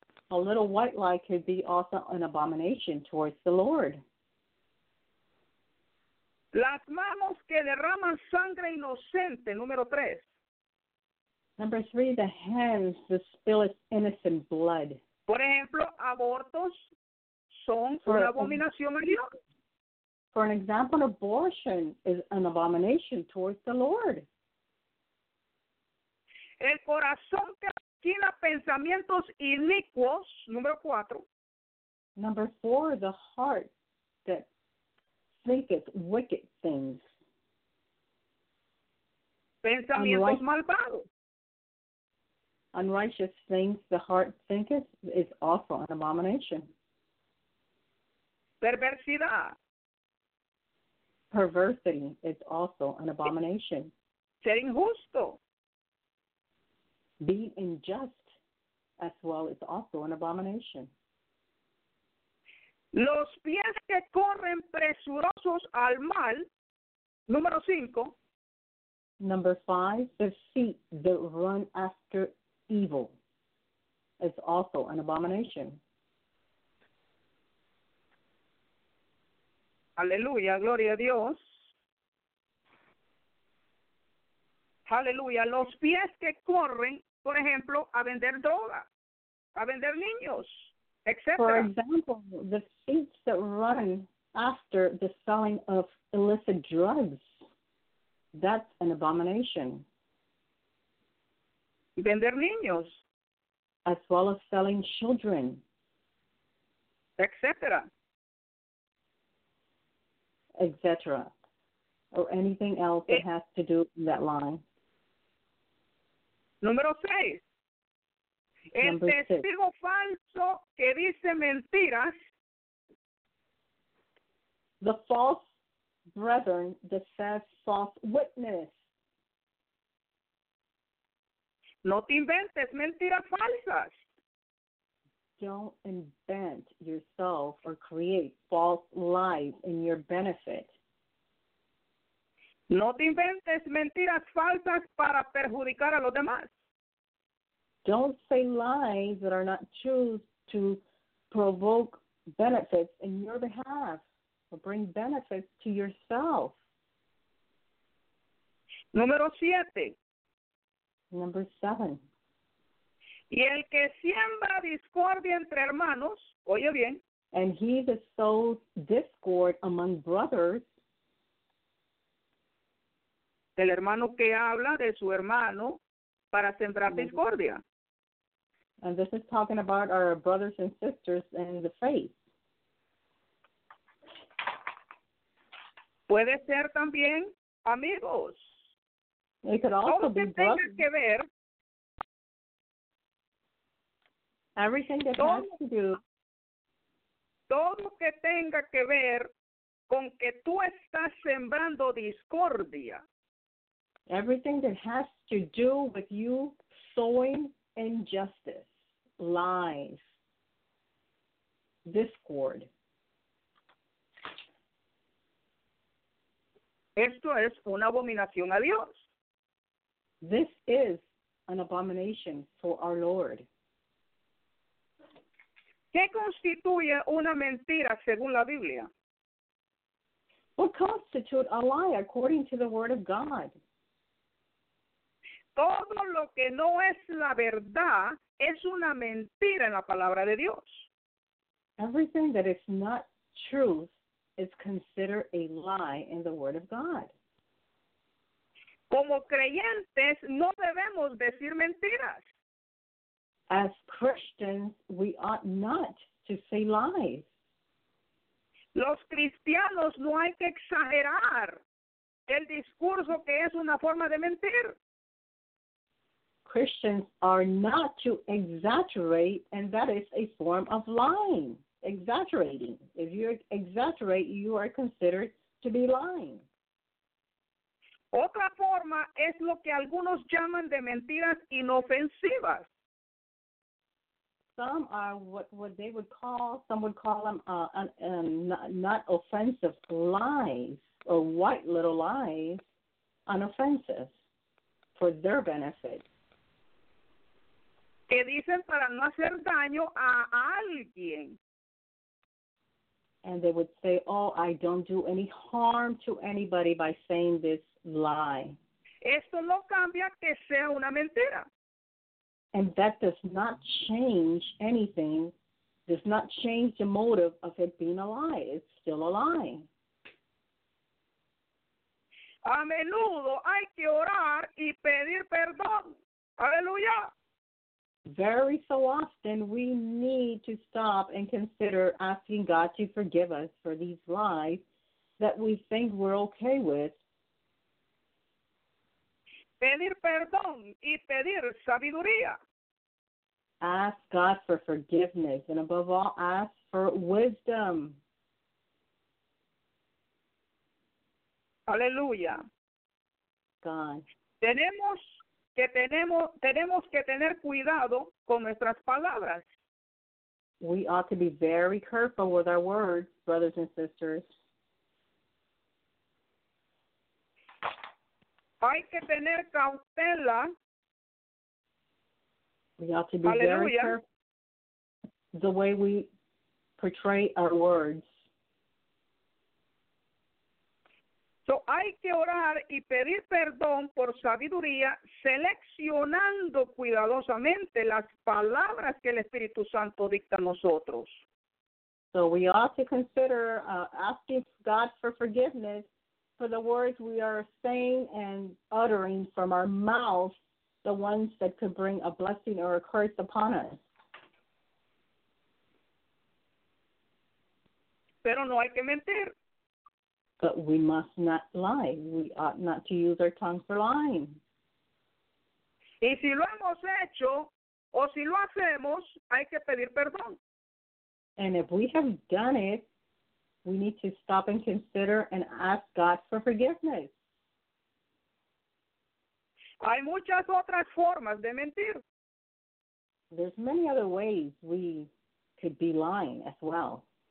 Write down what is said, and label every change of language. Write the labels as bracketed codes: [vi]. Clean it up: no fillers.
[en] A little white lie could be also an abomination towards the Lord. [es] Las manos que derraman sangre inocente, número tres. [en] Number three, the hands that spill its innocent blood. [es] Por ejemplo, abortos son una abominación a Dios. [en] For an example, abortion is an abomination towards the Lord. [es] El corazón que maquina pensamientos inicuos, número cuatro. [en] Number four, the heart that thinketh wicked things. [es] Pensamientos malvados. [en] Unrighteous things the heart thinketh is also an abomination. [es] Perversidad. [en] Perversity is also an abomination. [es] Ser injusto. [en] Being unjust as well is also an abomination. [es] Los pies que corren presurosos al mal, número cinco. Number five, the feet that run after evil is also an abomination. Aleluya, gloria a Dios. Aleluya, los pies que corren, por ejemplo, a vender droga, a vender niños, etc. [en] For example, the feet that run after the selling of illicit drugs, that's an abomination. [es] Vender niños. [en] As well as selling children, etc. [es] Etc. [en] Or anything else that has to do with that line. [es] Número seis. El testigo falso que dice mentiras. [en] The false brethren that says false witness. [es] No te inventes mentiras falsas. [en] Don't invent yourself or create false lies in your benefit. [es] No te inventes mentiras falsas para perjudicar a los demás. [en] Don't say lies that are not true to provoke benefits in your behalf or bring benefits to yourself. [es] Número siete. [en] Number seven. [es] Y el que siembra discordia entre hermanos, oye bien. [en] And he that sows discord among brothers. [es] El hermano que habla de su hermano para sembrar discordia. [en] And this is talking about our brothers and sisters in the faith. [es] Puede ser también amigos. [en] It could also [es] todo [en] be brothers. [es] Que ver, [en] everything that [es] todo, [en] has to do. [es] Todo que tenga que ver con que tú estás sembrando discordia. [en] Everything that has to do with you sowing injustice. Lies, discord. [es] Esto es una abominación a Dios. [en] This is an abomination for our Lord. [es] ¿Qué constituye una mentira según la Biblia? [en] What constitutes a lie according to the Word of God? [es] Todo lo que no es la verdad es una mentira en la palabra de Dios. [en] Everything that is not truth is considered a lie in the Word of God. [es] Como creyentes, no debemos decir mentiras. [en] As Christians, we ought not to say lies. [es] Los cristianos no hay que exagerar el discurso que es una forma de mentir. [en] Christians are not to exaggerate, and that is a form of lying, exaggerating. If you exaggerate, you are considered to be lying. [es] Otra forma es lo que algunos llaman de mentiras inofensivas. [en] Some are what they would call, some would call them not offensive lies, or white little lies, unoffensive for their benefit. [es] Que dicen para no hacer daño a alguien. [en] And they would say, oh, I don't do any harm to anybody by saying this lie. [es] Esto no cambia que sea una mentira. [en] And that does not change anything, does not change the motive of it being a lie. It's still a lie. [es] A menudo hay que orar y pedir perdón. Aleluya. [en] Very so often, we need to stop and consider asking God to forgive us for these lies that we think we're okay with. [es] Pedir perdón y pedir sabiduría. [en] Ask God for forgiveness, and above all, ask for wisdom. [es] Aleluya. [en] God. [es] Tenemos que tener cuidado con nuestras palabras. [en] We ought to be very careful with our words, brothers and sisters. [es] Hay que tener cautela. [en] We ought to be [es] Aleluya. [en] Very careful the way we portray our words. [es] So, hay que orar y pedir perdón por sabiduría, seleccionando cuidadosamente las palabras que el Espíritu Santo dicta a nosotros. [en] So, we ought to consider asking God for forgiveness for the words we are saying and uttering from our mouth, the ones that could bring a blessing or a curse upon us. [es] Pero no hay que mentir. [en] But we must not lie. We ought not to use our tongue for lying. [es] Y si lo hemos hecho, o si lo hacemos, hay que pedir perdón. [en] And if we have done it, we need to stop and consider and ask God for forgiveness. [es] Hay muchas otras formas de mentir. [en] There's many other ways we could be lying as well.